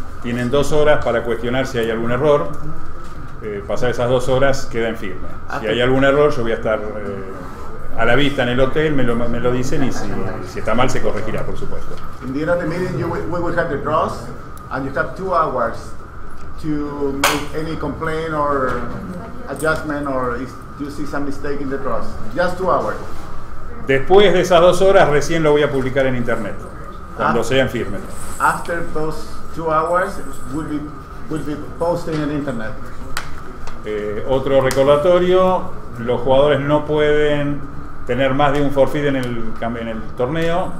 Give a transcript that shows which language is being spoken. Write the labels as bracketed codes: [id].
[es] Tienen dos horas para cuestionar si hay algún error. Pasar esas dos horas queda en firme. Si hay algún error, yo voy a estar a la vista en el hotel, me lo dicen, y si está mal se corregirá, por supuesto. [en] In the end of the meeting, we will have the draws, and you have 2 hours to make any complaint or adjustment, or if you see some mistake in the draws. Just 2 hours. [es] Después de esas dos horas, recién lo voy a publicar en internet, cuando sean firmes. [en] After those 2 hours, we'll be posting on internet. [es] Otro recordatorio, los jugadores no pueden tener más de un forfeit en el torneo.